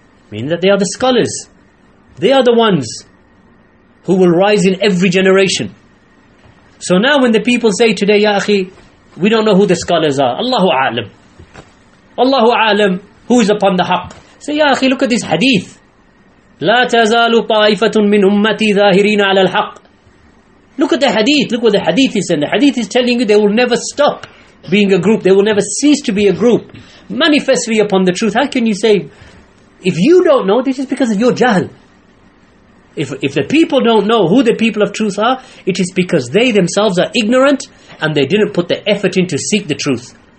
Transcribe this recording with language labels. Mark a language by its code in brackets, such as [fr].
[en] Meaning that they are the scholars. They are the ones who will rise in every generation. So now when the people say today, [ar] يَا أَخِي, [en] we don't know who the scholars are. Allahu A'lam. Allahu A'lam, who is upon the haqq? Say, [ar] يَا أَخِي, [en] look at this hadith. [ar] لا تزال طائفة من أمتي ظاهرين على الحق. [en] Look at the hadith. Look what the hadith is. And the hadith is telling you they will never stop being a group. They will never cease to be a group. Manifestly upon the truth. How can you say, if you don't know, this is because of your jahl. If the people don't know who the people of truth are, it is because they themselves are ignorant and they didn't put the effort in to seek the truth.